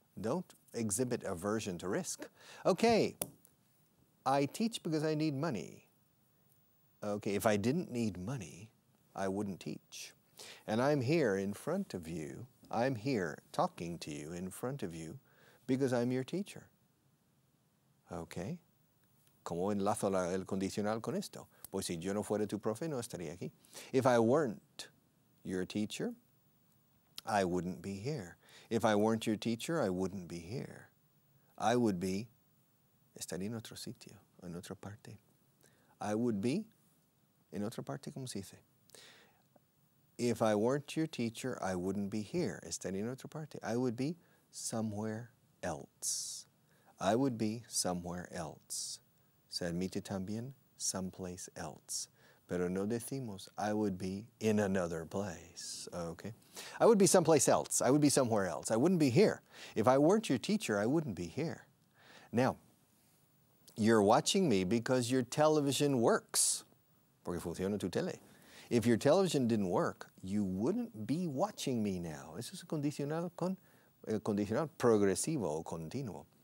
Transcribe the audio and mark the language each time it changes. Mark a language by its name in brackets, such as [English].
[English] Don't exhibit aversion to risk. Okay. I teach because I need money. Okay, if I didn't need money, I wouldn't teach. And I'm here in front of you. I'm here talking to you in front of you because I'm your teacher. [Spanish] Okay? ¿Cómo enlazo el condicional con esto? Pues si yo no fuera tu profe, no estaría aquí. [English] If I weren't your teacher, I wouldn't be here. If I weren't your teacher, I wouldn't be here. I would be... [Spanish] Estaría en otro sitio, en otra parte. [English] I would be... [Spanish] En otra parte, ¿cómo se dice? [English] If I weren't your teacher, I wouldn't be here. [Spanish] Estaría en otra parte. [English] I would be somewhere else. I would be somewhere else. [Spanish] Se admite también [English] someplace else. [Spanish] Pero no decimos, [English] I would be in another place. Okay. I would be someplace else. I would be somewhere else. I wouldn't be here. If I weren't your teacher, I wouldn't be here. Now, you're watching me because your television works. [Spanish] Porque funciona tu tele. [English] If your television didn't work, you wouldn't be watching me now. [Spanish] Eso es condicional con condicional progresivo o continuo.